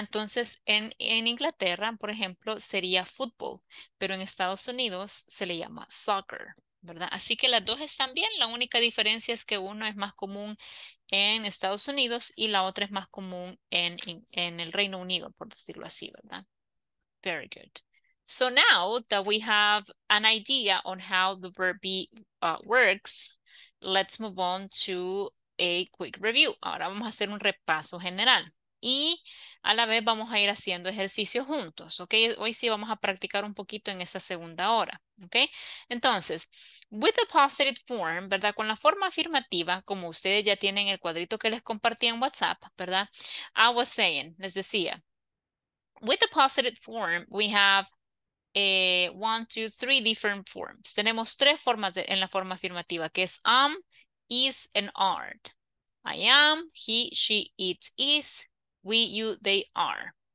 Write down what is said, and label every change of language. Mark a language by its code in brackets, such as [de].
[es] Entonces, en Inglaterra, por ejemplo, sería fútbol, pero en Estados Unidos se le llama soccer, ¿verdad? Así que las dos están bien, la única diferencia es que uno es más común en Estados Unidos y la otra es más común en el Reino Unido, por decirlo así, ¿verdad? [en] Very good. So now that we have an idea on how the verb be works, let's move on to a quick review. [es] Ahora vamos a hacer un repaso general y a la vez vamos a ir haciendo ejercicios juntos, ¿ok? Hoy sí vamos a practicar un poquito en esa segunda hora, ¿ok? Entonces, [en] with the positive form, [es] ¿verdad? Con la forma afirmativa, como ustedes ya tienen el cuadrito que les compartí en WhatsApp, ¿verdad? [en] I was saying, [es] les decía, [en] with the positive form, we have one, two, three different forms. [es] Tenemos tres formas en la forma afirmativa, que es am, is, and are. [en] I am, he, she, it, is, we, you, they, are.